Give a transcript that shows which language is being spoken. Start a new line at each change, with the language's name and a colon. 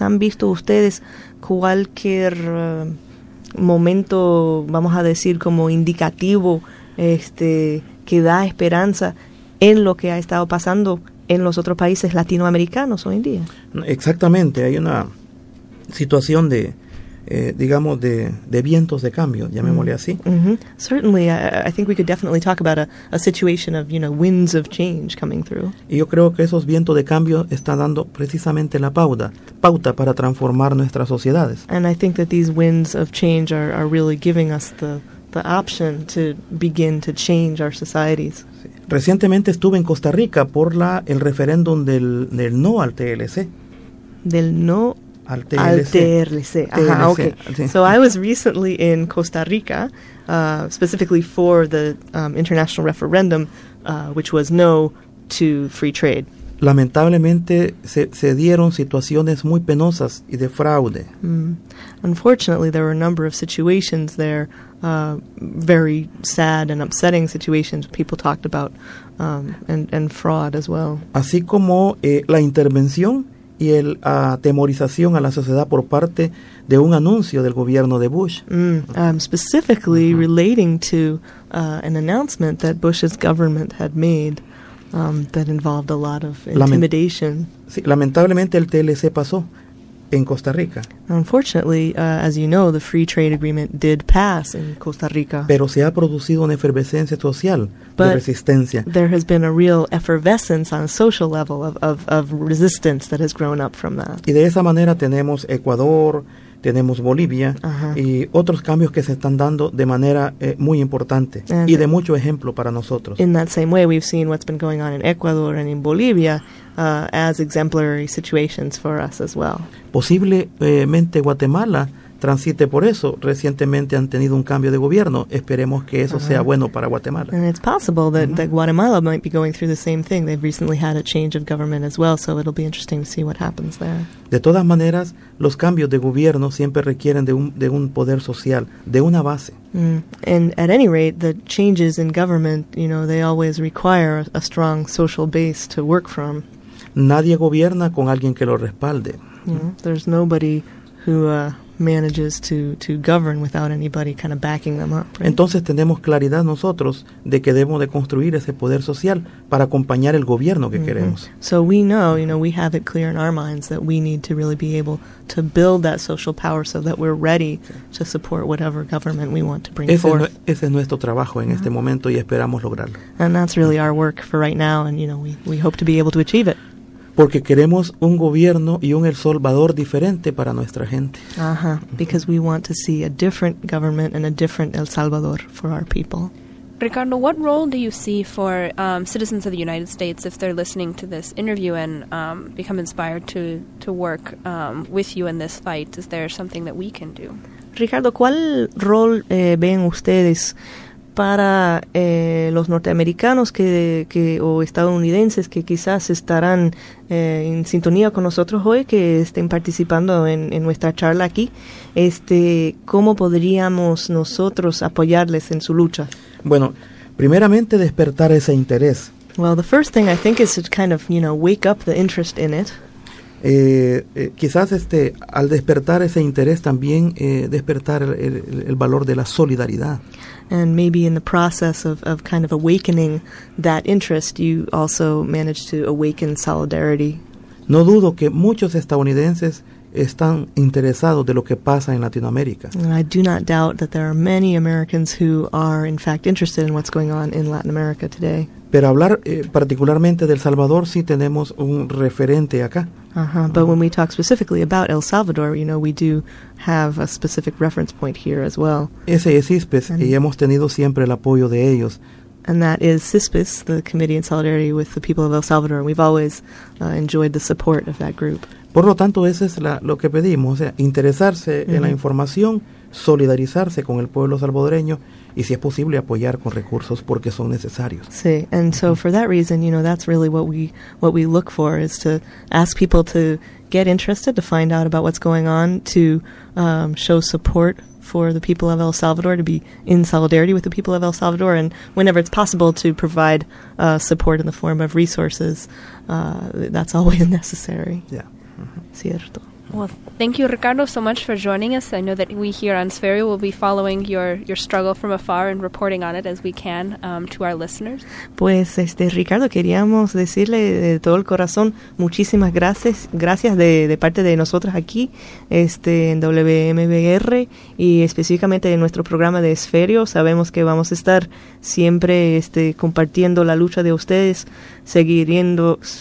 Spanish: ¿Han visto ustedes cualquier momento, vamos a decir, como indicativo, que da esperanza en lo que ha estado pasando en los otros países latinoamericanos hoy en día? Exactamente, hay una situación de, digamos, de vientos de cambio, llamémosle así. Mm-hmm.
English: Certainly, I think we could definitely talk about a situation of, you know, winds of change coming through.
Spanish: Y yo creo que esos vientos de cambio están dando precisamente la pauta para transformar nuestras sociedades.
English: And I think that these winds of change are really giving us the option to begin to change our societies.
Spanish: Recientemente estuve en Costa Rica por el referéndum del no al TLC. Del no al TLC. Ajá, okay.
English: So I was recently in Costa Rica, specifically for the international referendum, which was no to free trade.
Spanish: Lamentablemente se dieron situaciones muy penosas y de fraude. Mm.
English: Unfortunately, there were a number of situations there, very sad and upsetting situations people talked about, and fraud as well.
Spanish: Así como la intervención y el atemorización a la sociedad por parte de un anuncio del gobierno de Bush.
English: Specifically uh-huh. relating to an announcement that Bush's government had made that involved a lot of intimidation.
Spanish: Lamentablemente el TLC pasó en Costa Rica.
English: Unfortunately, as you know, the free trade agreement did pass in Costa Rica.
Spanish: Pero se ha producido una efervescencia social
English: But
Spanish: de resistencia.
English: There has been a real effervescence on a social level of resistance that has grown up from that.
Spanish: Y de esa manera tenemos Ecuador, tenemos Bolivia uh-huh. y otros cambios que se están dando de manera muy importante and y de mucho ejemplo para nosotros.
English: In that same way, we've seen what's been going on in Ecuador and in Bolivia as exemplary situations for us as well.
Spanish: Posiblemente Guatemala transite por eso. Recientemente han tenido un cambio de gobierno. Esperemos que eso uh-huh. sea bueno para Guatemala.
English: And it's possible that, uh-huh. that Guatemala might be going through the same thing. They've recently had a change of government as well, so it'll be interesting to see what happens there.
Spanish: De todas maneras, los cambios de gobierno siempre requieren de un poder social, de una base.
English: And at any rate, the changes in government, you know, they always require a strong social base to work from.
Spanish: Nadie gobierna con alguien que lo respalde.
English: There's nobody who manages to govern without anybody kind of backing them up. Right?
Spanish: Entonces tenemos claridad nosotros de que debemos de construir ese poder social para acompañar el gobierno que mm-hmm. queremos.
English: So we know, you know, we have it clear in our minds that we need to really be able to build that social power so that we're ready to support whatever government we want to bring forth.
Spanish: Ese es nuestro trabajo en yeah. este momento y esperamos lograrlo.
English: And that's really our work for right now, and you know, we hope to be able to achieve it.
Spanish: Porque queremos un gobierno y un El Salvador diferente para nuestra gente. Uh-huh.
English: Because we want to see a different government and a different El Salvador for our people. Ricardo, what role do you see for citizens of the United States if they're listening to this interview and become inspired to work with you in this fight? Is there something that we can do?
Spanish: Ricardo, ¿cuál rol ven ustedes para los norteamericanos que o estadounidenses que quizás estarán en sintonía con nosotros hoy, que estén participando en nuestra charla aquí, cómo podríamos nosotros apoyarles en su lucha? Bueno, primeramente despertar ese interés.
English: Well, the first thing I think is to kind of, you know, wake up the interest in it.
Spanish: Quizás al despertar ese interés también despertar el valor de la solidaridad.
English: And maybe in the process of kind of awakening that interest, you also manage to awaken solidarity.
Spanish: No dudo que muchos estadounidenses están interesados de lo que pasa en Latinoamérica.
English: And I do not doubt that there are many Americans who are in fact interested in what's going on in Latin America today.
Spanish: Pero hablar particularmente del Salvador, sí tenemos un referente acá. Uh-huh.
English: But when we talk specifically about El Salvador, you know, we do have a specific reference point here as well.
Spanish: Ese es CISPES, y hemos tenido siempre el apoyo de ellos.
English: And that is CISPES, the Committee in Solidarity with the People of El Salvador. And we've always enjoyed the support of that group.
Spanish: Por lo tanto, eso es lo que pedimos, o sea, interesarse mm-hmm. en la información, solidarizarse con el pueblo salvadoreño, y si es posible apoyar con recursos porque son necesarios.
English: Sí, and so for that reason, you know, that's really what we look for, is to ask people to get interested, to find out about what's going on, to show support for the people of El Salvador, to be in solidarity with the people of El Salvador, and whenever it's possible to provide support in the form of resources, that's always necessary. Yeah.
Spanish: Cierto.
English: Well, thank you, Ricardo, so much for joining us. I know that we here on Sferio will be following your struggle from afar and reporting on it as we can to our listeners.
Spanish: Pues, Ricardo, queríamos decirle de todo el corazón muchísimas gracias de parte de nosotras aquí en WMBR y específicamente en nuestro programa de Sferio. Sabemos que vamos a estar siempre compartiendo la lucha de ustedes, siguiendo.